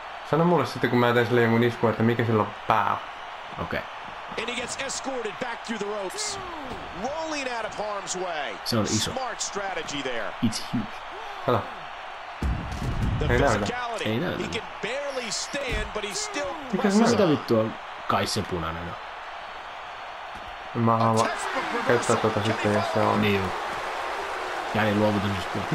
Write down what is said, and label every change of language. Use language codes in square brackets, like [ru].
[fi] Sano mulle sitten, kun mä teen sille jonkun iskun, että mikä sillä on pää. Okei. Okay. [en] And he gets escorted back through the ropes, rolling out of harm's way. [fi] Se on iso. [en] Smart strategy there. It's huge. Hello. [fi] Ei näytä. Ei näytä. [en] He can barely stand, but he's still... [fi] Mikä se näytä vittu on? Kai se punainen on. Mä haluan käyttää tota sitten, jos se on. Niin. Jäljen luovutus just puhuttu.